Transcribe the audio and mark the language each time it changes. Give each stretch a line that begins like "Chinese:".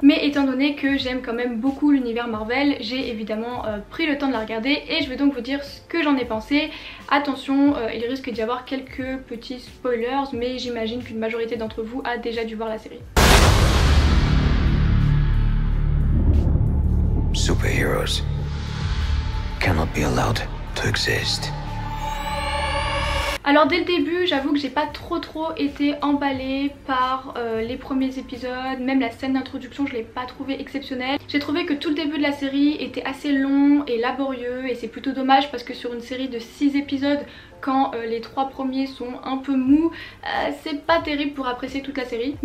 French: Mais étant donné que j'aime quand même beaucoup l'univers Marvel, j'ai évidemment pris le temps de la regarder et je vais donc vous dire ce que j'en ai pensé. Attention, il risque d'y avoir quelques petits spoilers, mais j'imagine qu'une majorité d'entre vous a déjà dû voir la série.
English: Superheroes cannot be allowed to exist.
French: Alors dès le début, j'avoue que j'ai pas trop été emballée par les premiers épisodes, même la scène d'introduction je l'ai pas trouvée exceptionnelle. J'ai trouvé que tout le début de la série était assez long et laborieux et c'est plutôt dommage parce que sur une série de 6 épisodes, quand les 3 premiers sont un peu mous, c'est pas terrible pour apprécier toute la série.